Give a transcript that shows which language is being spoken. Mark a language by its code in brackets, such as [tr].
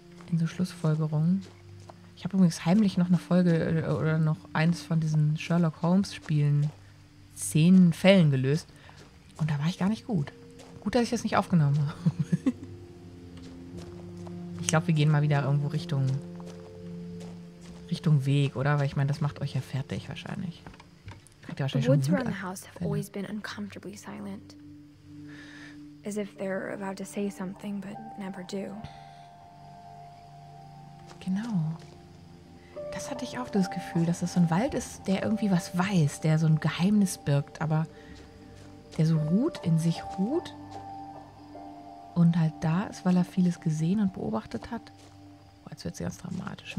[de] In so Schlussfolgerungen. Ich habe übrigens heimlich noch eine Folge oder noch eins von diesen Sherlock Holmes Spielen 10 Fällen gelöst. Und da war ich gar nicht gut. Gut, dass ich das nicht aufgenommen habe. Ich glaube, wir gehen mal wieder irgendwo Richtung Weg, oder? Weil ich meine, das macht euch ja fertig wahrscheinlich. Habt ihr wahrscheinlich schon gehört. [en] The woods around the house have always been uncomfortably silent. As if they're about to say something, but never do. [de] Genau. Das hatte ich auch, das Gefühl, dass das so ein Wald ist, der irgendwie was weiß, der so ein Geheimnis birgt, aber der so ruht, in sich ruht. Und halt da ist, weil er vieles gesehen und beobachtet hat. Boah, jetzt wird es ganz dramatisch.